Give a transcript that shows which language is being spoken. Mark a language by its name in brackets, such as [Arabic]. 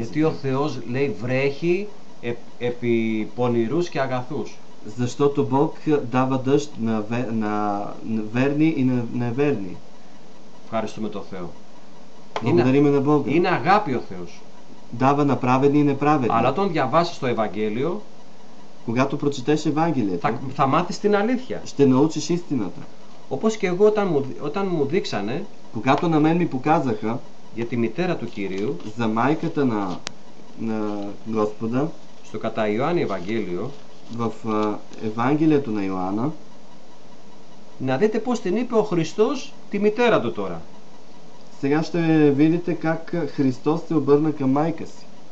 [Greek] Γιατί ο Θεός λέει, βρέχει επί πονηρούς και αγαθούς. [Bulgarian] Защото Бог дава дъжд на верни и на неверни. [Greek] Ευχαριστούμε τον Θεό. [Bulgarian] Благодаримо на Бога. [Greek] Είναι αγάπη ο Θεός. [Bulgarian] Дава на праведни и неправедни. [Greek] Αλλά τον διαβάσεις το Ευαγγέλιο, [Bulgarian] когато прочетеш Евангелието, [Greek] θα μάθεις την αλήθεια. [Bulgarian] Ще научиш истината. [Greek] Όπως και εγώ όταν μου δείξανε, [Bulgarian] когато на мен ми показаха, [Greek] για τη μητέρα του Κυρίου, [Bulgarian] за майката на Господа, [Greek] στο κατά Ιωάννη Ευαγγέλιο, [Bulgarian] в Евангелието на Йоанна, [Greek] να δείτε πώς την είπε ο Χριστός τη μητέρα του τώρα. [Bulgarian] Сега ще видите как Христос се обърна към майка си.